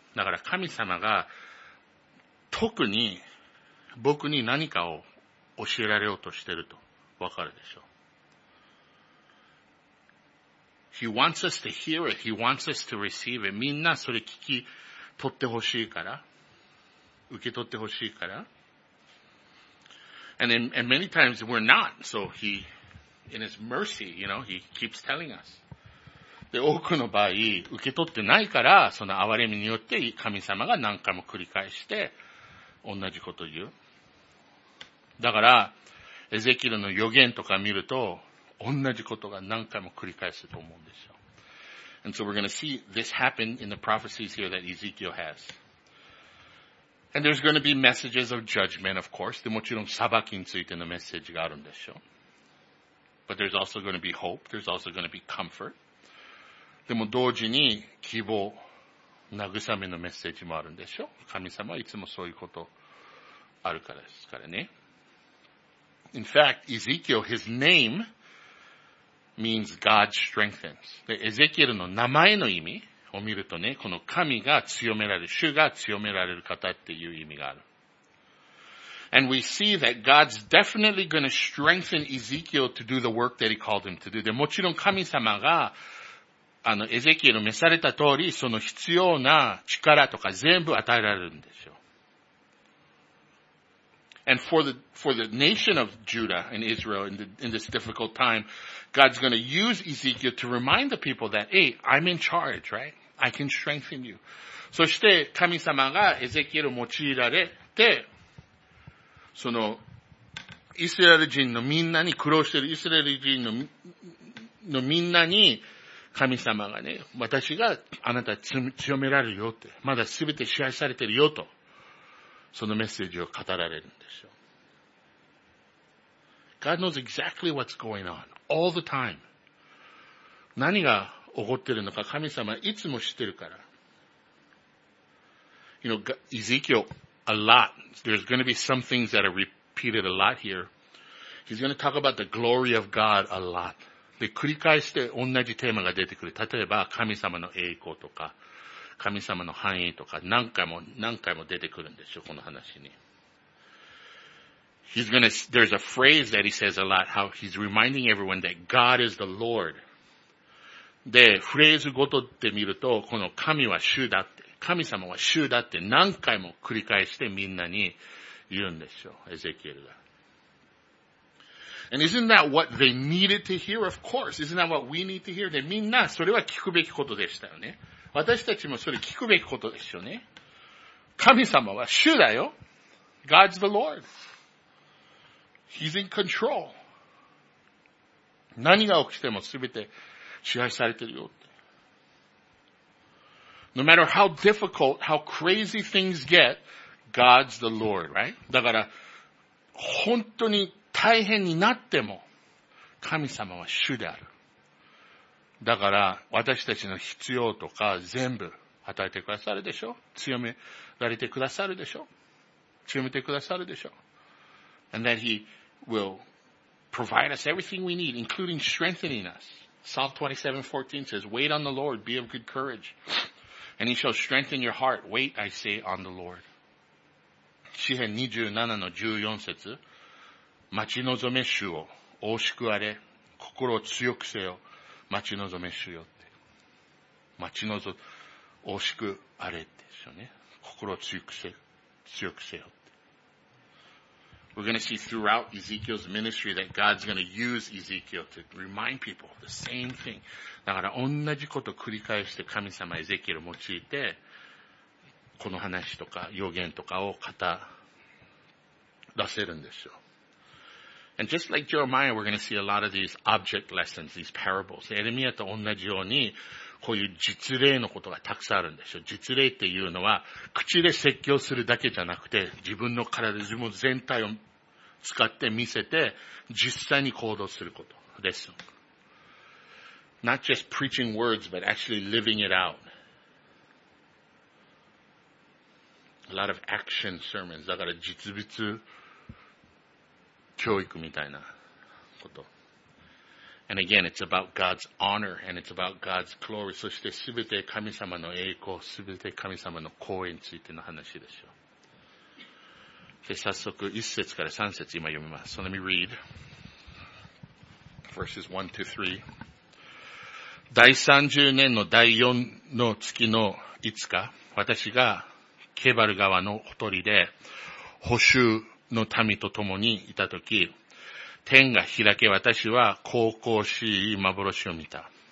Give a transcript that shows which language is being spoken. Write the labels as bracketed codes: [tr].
[ja] だから神様が特に僕に何かを教えられようとしてるとわかるでしょう。 [en] He wants us to hear it. He wants us to receive it. [ja] みんなそれ聞き取ってほしいから。受け取ってほしいから。 [en] And then, and many times we're not. So he, in his mercy, you know, he keeps telling us. [ja] で、多くの場合、受け取ってないから、その憐れみによって神様が何回も繰り返して、同じこと言う。だから、エゼキエルの予言とか見ると、同じことが何回も繰り返すと思うんですよ。 [en] And so we're going to see this happen in the prophecies here that Ezekiel has. And there's going to be messages of judgment, of course. [ja] で、もちろん裁きについてのメッセージがあるんでしょう。 [en] But there's also going to be hope. There's also going to be comfort. [ja] でも同時に希望、慰めのメッセージもあるんでしょう。神様はいつもそういうことあるからですからね。 [en] In fact, Ezekiel, his name,means God strengthens. [ja] で、エゼキエルの名前の意味を見るとね、この神が強められる、主が強められる方っていう意味がある。 [en] And we see that God's definitely going to strengthen Ezekiel to do the work that he called him to do. [ja] で、もちろん神様が、エゼキエルを召された通り、その必要な力とか全部与えられるんですよ。 [en] And for the nation of Judah and Israel in this difficult time, God's going to use Ezekiel to remind the people that, hey, I'm in charge, right? I can strengthen you. [ja] そして神様がエゼキエルを用いられて、そのイスラエル人のみんなに苦労しているイスラエル人のみんなに神様がね、私があなた強められるよって、まだ全て支配されているよと。そのメッセージを語られるんでしょう。 [en] God knows exactly what's going on all the time. [ja] 何が起こってるのか神様いつも知ってるから。 [en] You know, Ezekiel, a lot. There's going to be some things that are repeated a lot here. He's going to talk about the glory of God a lot. [ja] で、繰り返して同じテーマが出てくる。例えば、神様の栄光とか。神様の範囲とか何回も何回も出てくるんでしょこの話に。 [en] He's gonna, there's a phrase that he says a lot, how he's reminding everyone that God is the Lord. [ja] で、フレーズごとって見ると、この神は主だって、神様は主だって何回も繰り返してみんなに言うんでしょエゼキエルが。 [en] And isn't that what they needed to hear? Of course. Isn't that what we need to hear? [ja] で、みんなそれは聞くべきことでしたよね。私たちもそれ聞くべきことですよね。神様は主だよ。 [en] God's the Lord. He's in control. [ja] 何が起きても全て支配されてるよって。 [en] No matter how difficult, how crazy things get, God's the Lord, right? [ja] だから、本当に大変になっても、神様は主である。だから、私たちの必要とか全部与えてくださるでしょ強められてくださるでしょ強めてくださるでしょ [en] And that he will provide us everything we need, including strengthening us. Psalm 27:14 says, Wait on the Lord, be of good courage, and he shall strengthen your heart. Wait, I say, on the Lord. [ja] 詩編27の14節、待ち望め主を、惜しくあれ、心を強くせよ。待ち望め主よって。待ち望、惜しくあれってですよね。心を強くせよって。 [en] We're gonna see throughout Ezekiel's ministry that God's gonna use Ezekiel to remind people the same thing. [ja] だから同じことを繰り返して神様エゼキエルを用いて、この話とか予言とかを語らせるんですよ。 [en] And just like Jeremiah, we're going to see a lot of these object lessons, these parables. [ja] エレミアと同じように、こういう実例のことがたくさんあるんでしょう。実例っていうのは、口で説教するだけじゃなくて、自分の体、自分全体を使って見せて、実際に行動すること。 그랬어. [en] Not just preaching words, but actually living it out. A lot of action sermons. [ja] だから実物教育みたいなこと。 [en] And again, it's about God's honor and it's about God's glory. [ja] そして全て神様の栄光、全て神様の光栄についての話でしょう。で、早速1節から3節今読みます。 [en] So let me read. Verses 1 to 3. [ja] 第30年の第4の月の5日、私がケバル川のほとりで捕囚の民と共にいたとき、天が開け私は神々しい幻を見た。